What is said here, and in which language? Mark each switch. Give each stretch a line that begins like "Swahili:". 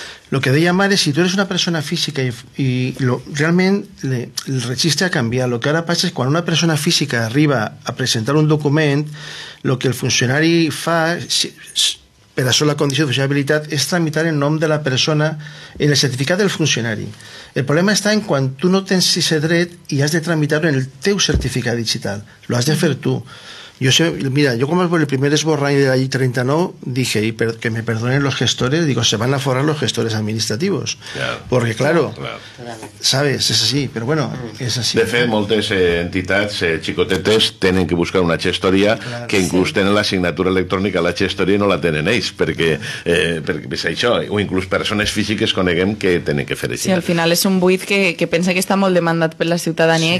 Catalan: El que deia Mare, si tu eres una persona física realment el registre ha canviat, el que ara passa és quan una persona física arriba a presentar un document, el que el funcionari fa, per això la condició d'habilitat, és tramitar el nom de la persona en el certificat del funcionari. El problema està en quan tu no tens ese dret i has de tramitar-lo en el teu certificat digital. Lo has de fer tu.
Spanish: Yo como el primer
Catalan: esborrany de la llei
Spanish: 39, dije, y que me perdonen los gestores, digo, se van a forrar los gestores administrativos. Claro, porque claro, sabes, es así, pero bueno, es así.
Catalan: De fet, moltes entitats xicotetes tenen que buscar una gestoria que inclús tenen la signatura electrònica, la gestoria no la tenen ells, perquè és això, o inclús persones físiques coneguem que tenen que fer així. Sí, al final és un buit que pensa que està molt demandat per la ciutadania, sí.